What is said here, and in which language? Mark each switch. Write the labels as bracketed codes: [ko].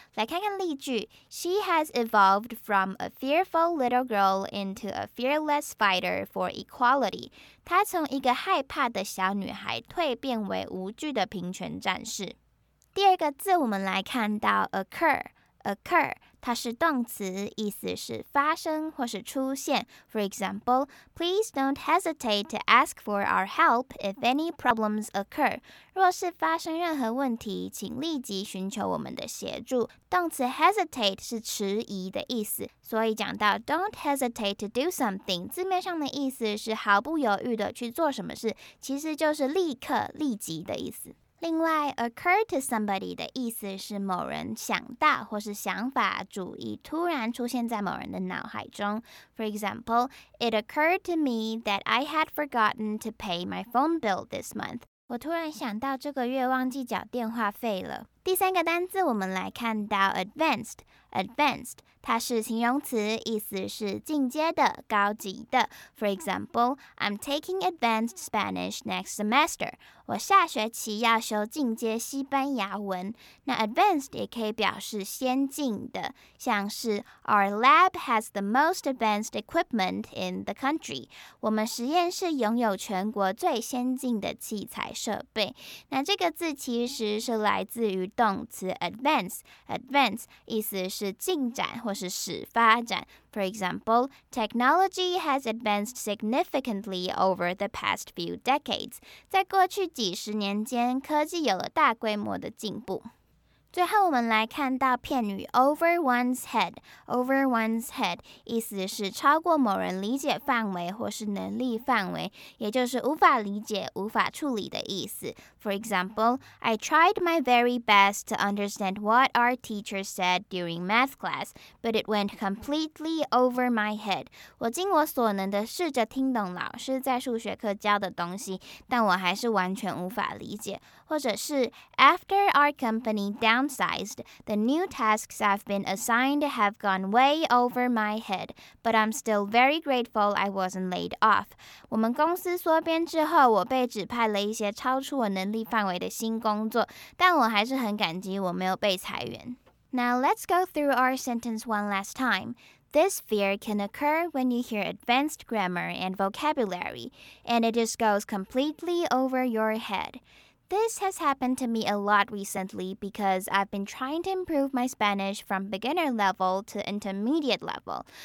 [zh] 来看看例句 [en] ：She has evolved from a fearful little girl into a fearless fighter for equality。 [zh] 她从一个害怕的小女孩蜕变为无惧的平权战士。第二个字，我们来看到 occur。它是动词，意思是发生或是出现。 [en] For example, please don't hesitate to ask for our help if any problems occur. [zh] 若是发生任何问题，请立即寻求我们的协助。动词 hesitate 是迟疑的意思，所以讲到 don't hesitate to do something， 字面上的意思是毫不犹豫的去做什么事，其实就是立刻、立即的意思。另外 occur to somebody 的意思是某人想到或是想法、主意突然出现在某人的脑海中。 [en] For example, it occurred to me that I had forgotten to pay my phone bill this month. [zh] 我突然想到这个月忘记缴电话费了。第三个单字我们来看到 advanced。Advanced， 它是形容词，意思是进阶的、高级的。 [en] For example, I'm taking advanced Spanish next semester. [zh] 我下学期要修进阶西班牙文。那 [en] advanced [zh] 也可以表示先进的，像是 [en] Our lab has the most advanced equipment in the country. [zh] 我们实验室拥有全国最先进的器材设备。那这个字其实是来自于动词 advance， 意思是进展或是使发展。 [en] For example, technology has advanced significantly over the past few decades. [zh] 在过去几十年间，科技有了大规模的进步。最后我们来看到片语 over one's head。 over one's head 意思是超过某人理解范围或是能力范围，也就是无法理解、无法处理的意思。 [en] For example, I tried my very best to understand what our teacher said during math class, but it went completely over my head. [zh] 我尽我所能地试着听懂老师在数学课教的东西，但我还是完全无法理解。或者是 [en] after our company downsized, the new tasks I've been assigned have gone way over my head, but I'm still very grateful I wasn't laid off. [zh] 我们公司缩编之后，我被指派了一些超出我能力范围的新工作，但我还是很感激我没有被裁员。 [en] Now let's go through our sentence one last time. This fear can occur when you hear advanced grammar and vocabulary, and it just goes completely over your head. This has happened to me a lot recently because I've been trying to improve my Spanish from beginner level to intermediate level.